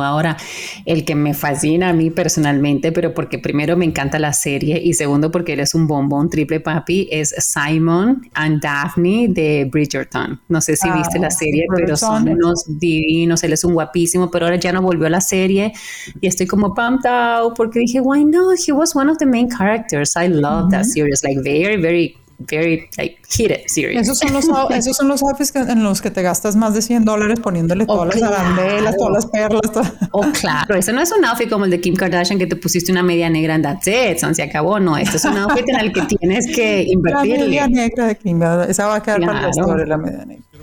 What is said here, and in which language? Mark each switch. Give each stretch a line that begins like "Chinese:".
Spanish: Ahora, el que me fascina a mí personalmente, pero porque primero me encanta la serie y segundo porque él es un bombón triple papi, es Simon and Daphne de Bridgerton. No sé si viste la serie, pero son unos divinos, él es un guapísimo, pero ahora ya no volvió a la serie y estoy como
English: pumped out
Spanish: porque dije,
English: why not? He was one of the main characters. I love that series, like very, very, very, like hit it series.
Spanish: Esos son los outfits en los que te gastas más de $100 poniéndole todas las arandelas, todas las perlas. Claro, ese no es un outfit como el de Kim Kardashian que te pusiste una media negra en
English: that's it,
Spanish: son, se acabó. No, este es un outfit en el que tienes que invertirle. La media negra de Kim, esa va a quedar para la historia, la media negra.